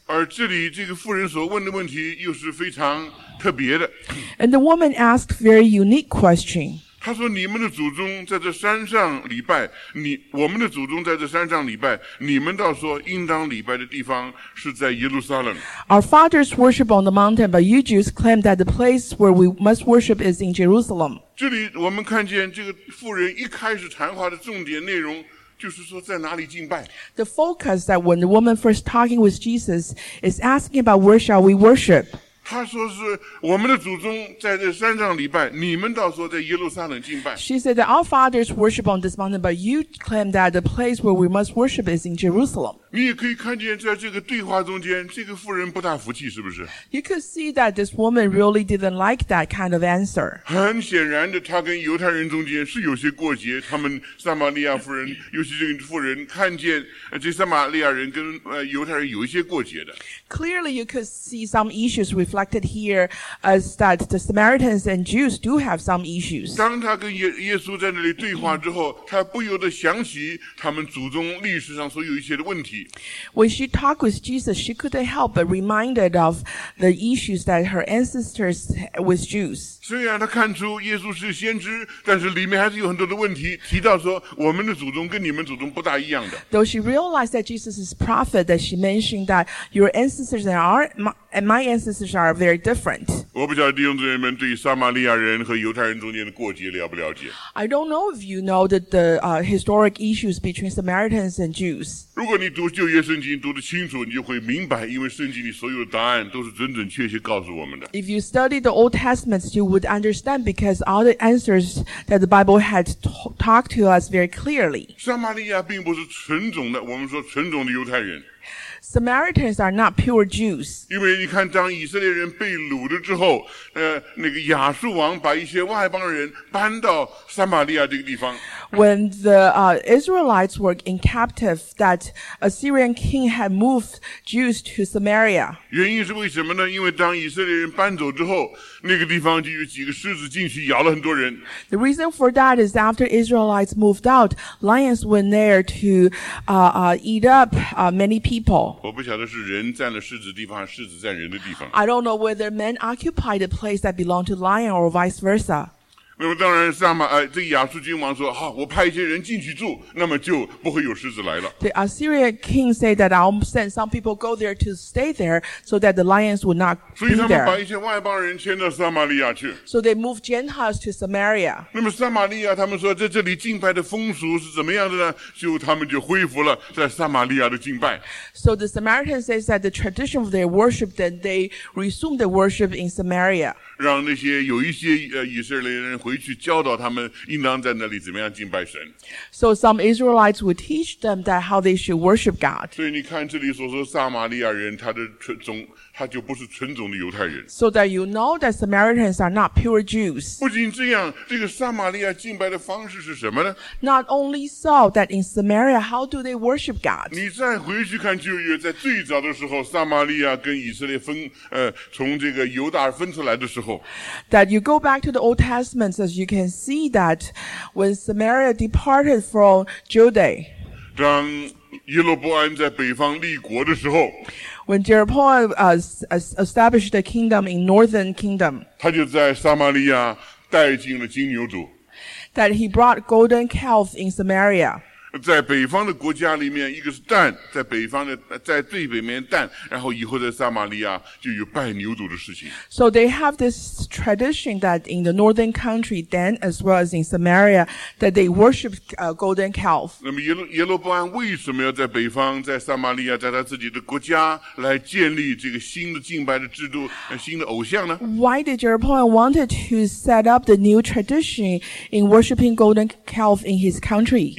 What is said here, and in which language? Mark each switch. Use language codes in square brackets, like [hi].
[zh] 而这里这个妇人所问的问题又是非常特别的。 [en] And the woman asked very unique question. [zh] 他说你们的祖宗在这山上礼拜，我们的祖宗在这山上礼拜，你们倒说应当礼拜的地方是在耶路撒冷。 [en] Our fathers worship on the mountain, but you Jews claim that the place where we must worship is in Jerusalem. [zh] 这里我们看见这个妇人一开始谈话的重点内容就是说在哪里敬拜。 [en] The focus that when the woman first talking with Jesus is asking about where shall we worship? [zh] 他说是我们的祖宗在这山上礼拜，你们倒说在耶路撒冷敬拜。 [en] She said that our fathers worship on this mountain, but you claim that the place where we must worship is in Jerusalem. [zh] 你也可以看见在这个对话中间，这个妇人不大服气，是不是？ [en] You could see that this woman really didn't like that kind of answer. [zh] 很显然的，她跟犹太人中间是有些过节，他们撒玛利亚妇人，尤其这个妇人看见这撒玛利亚人跟犹太人有一些过节的。 [en] Clearly, you could see some issues with. Reflected here as that the Samaritans and Jews do have some issues. [zh] 当他跟耶稣在那里对话之后，他不由得想起他们祖宗历史上所有一些的问题。 [en] When she talked with Jesus, she couldn't help but reminded of the issues that her ancestors with Jews. [zh] 虽然她看出耶稣是先知，但是里面还是有很多的问题，提到说我们的祖宗跟你们祖宗不大一样的。 [en] Though she realized that Jesus is prophet, that she mentioned that your ancestors and my ancestors are very different. [zh] 我不晓得弟兄姊妹们对撒玛利亚人和犹太人中间的过节了不了解。 [en] I don't know if you know that the historic issues between Samaritans and Jews. [zh] 如果你读旧约圣经读得清楚，你就会明白，因为圣经里所有的答案都是准准确确告诉我们的。 [en] If you study the Old Testament, you would understand because all the answers that the Bible had talked to us very clearly. [zh] 撒玛利亚并不是纯种的，我们说纯种的犹太人。 [en] Samaritans are not pure Jews. [zh] 因为你看，当以色列人被掳了之后，那个亚述王把一些外邦人搬到撒玛利亚这个地方。 [en] When the Israelites were in captive, that Assyrian king had moved Jews to Samaria. [zh] 原因是为什么呢？因为当以色列人搬走之后，那个地方就有几个狮子进去咬了很多人。 [en] The reason for that is after Israelites moved out, lions went there to eat up many people. [zh] 我不晓得是人占了狮子地方，还是狮子占人的地方。 [en] I don't know whether men occupy the place that belonged to lion or vice versa. [zh] 那么当然，这亚述君王说：“好，我派一些人进去住，那么就不会有狮子来了。” [en] The Assyrian king said that I'll send some people go there to stay there so that the lions would not be there. [zh] 所以他们把一些外邦人迁到撒玛利亚去。 [en] So they moved Gentiles to Samaria. [zh] 那么撒玛利亚，他们说在这里敬拜的风俗是怎么样的呢？就他们就恢复了在撒玛利亚的敬拜。 [en] So the Samaritan says that the tradition of their worship, that they resumed their worship in Samaria. [zh] 让那些有一些以色列人回去教导他们应当在那里怎么样敬拜神。 [en] So some Israelites would teach them that how they should worship God. [zh] 所以你看这里所说撒玛利亚人他的纯种他就不是纯种的犹太人。 [en] So that you know that Samaritans are not pure Jews. [zh] 不仅这样，这个撒玛利亚敬拜的方式是什么呢？ [en] Not only so, that in Samaria, how do they worship God? [zh] 你再回去看旧约，在最早的时候，撒玛利亚跟以色列分从这个犹大分出来的时候。 [en] That you go back to the Old Testament, as you can see that when Samaria departed from Judah. [zh] 当耶罗波安在北方立国的时候。 [en] When Jeroboam established a kingdom in northern kingdom, [zh] 他就在撒玛利亚带进了金牛犊。 [en] That he brought golden calf in Samaria. [zh] 在北方的国家里面，一个是蛋，在北方的，在最北面蛋，然后以后在撒玛利亚就有拜牛犊的事情。 [en] So they have this tradition that in the northern country, then as well as in Samaria, that they worship golden calf. [zh] 那么耶罗波安为什么要在北方，在撒玛利亚，在他自己的国家来建立这个新的敬拜的制度，新的偶像呢？ [en] Why did Jeroboam wanted to set up the new tradition in worshiping golden calf in his country?